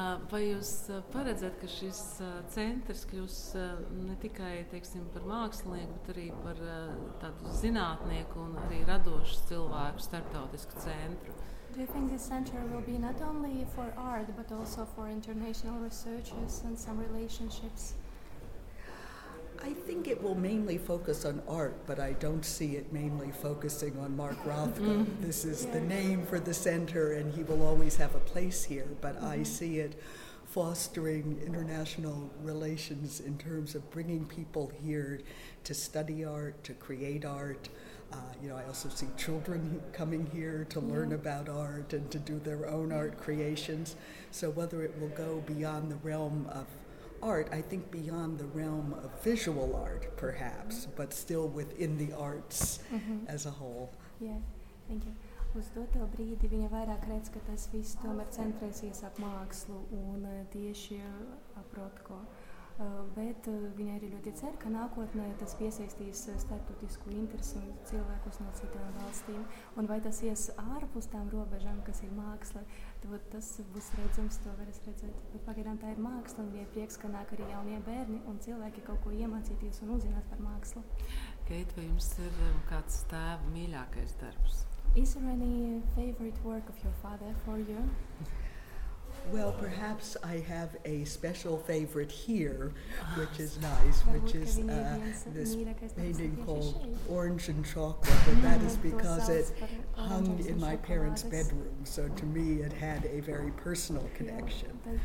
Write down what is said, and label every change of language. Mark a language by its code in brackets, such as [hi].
[lv] Vai jūs paredzat, ka šis centrs kļūs ne tikai, teiksim, par mākslinieku, bet arī par tādu zinātnieku un arī radošu cilvēku starptautisku centru? [en] Do you think this center will be not only for art, but also for international researchers and some relationships? I think it will mainly focus on art, but I don't see it mainly focusing on Mark Rothko. This is the name for the center, and he will always have a place here, but I see it fostering international relations in terms of bringing people here to study art, to create art. You know, I also see children coming here to learn about art and to do their own art creations. So whether it will go beyond the realm of art, I think beyond the realm of visual art, perhaps, but still within the arts as a whole. Yeah, thank you. [lv] Uz doto brīdi viņa vairāk redz, ka tas viss tomēr centrēsies ap mākslu un tieši ap Rothko. Bet viņa arī ļoti cer, ka nākotnē tas piesaistīs starptautisku interesi un cilvēkus no citām valstīm. Un vai tas ies ārpus tām robežām, kas ir māksla, tas būs redzams, to varēs redzēt. Bet pagaidām tā ir māksla un viņa prieks, ka nāk arī jaunie bērni un cilvēki kaut ko iemācīties un uzzināt par mākslu. Keit, vai jums ir kāds tēva mīļākais darbs? [en] Is there any favorite work of your father for you? Well, perhaps I have a special favorite here, which is nice, which is this painting called Orange and Chocolate, and that is because it hung in my parents' bedroom, so to me it had a very personal connection.